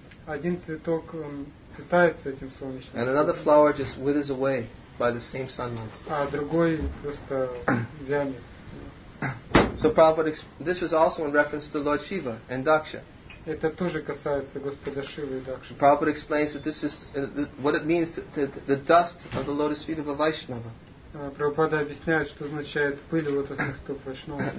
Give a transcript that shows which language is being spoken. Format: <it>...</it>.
<ru>Один цветок питается этим солнечным светом.</ru> <en>And another flower just withers away by the same sunlight.</en> <ru>А другой просто вянет.</ru> <en>So Prabhupada, this was also in reference to Lord Shiva and Daksha.</en> <ru>Это тоже касается Господа Шивы и Дакши.</ru> <en>Prabhupada explains that this is what it means to the dust of the lotus feet of a Vaishnava.</en> <ru>Prabhupada объясняет, что означает пыль лотосных стоп Вайшнава.</ru>